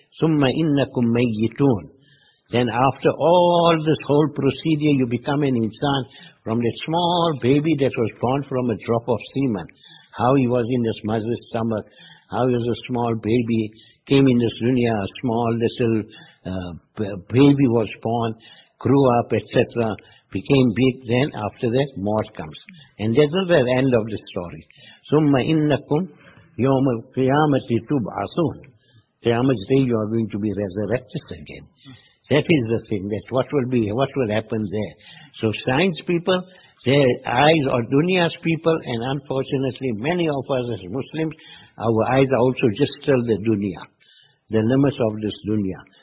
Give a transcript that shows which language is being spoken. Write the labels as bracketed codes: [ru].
[ar] Summa innakum mayyitun. [en] Then after all this whole procedure, you become an insan from the small baby that was born from a drop of semen. How he was in his mother's stomach, how he was a small baby, came in this dunya, a small little baby was born, grew up, etc., became big, then after that, more comes. And that's not the end of the story. [ar] ثم انكم يوم القيامه تبعثون. [en] Qiyamah day, you are going to be resurrected again. That is the thing. That what will be, what will happen there. So science people, their eyes are dunya's people, and unfortunately many of us as Muslims, our eyes are also just still the dunya, the limits of this dunya.